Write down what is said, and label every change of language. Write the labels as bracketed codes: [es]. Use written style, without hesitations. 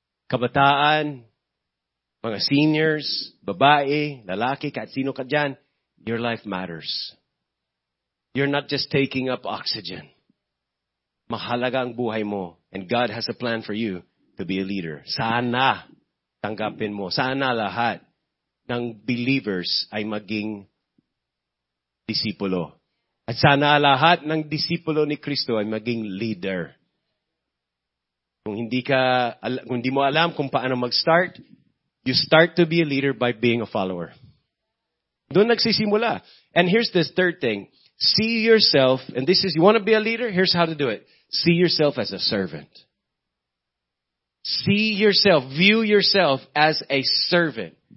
[tl] Kabataan, mga seniors, babae, lalaki, kahit sino ka dyan, [en] your life matters. You're not just taking up oxygen. [tl] Mahalaga ang buhay mo, [en] and God has a plan for you to be a leader. [tl] Sana tanggapin mo, sana lahat ng believers ay maging disipulo. At sana lahat ng disipulo ni Kristo ay maging leader. Kung hindi mo alam kung paano mag-start, [en] you start to be a leader by being a follower. [tl] Doon nagsisimula. [en] And here's this third thing. See yourself, and this is, you want to be a leader? Here's how to do it. See yourself as a servant. See yourself, view yourself as a servant.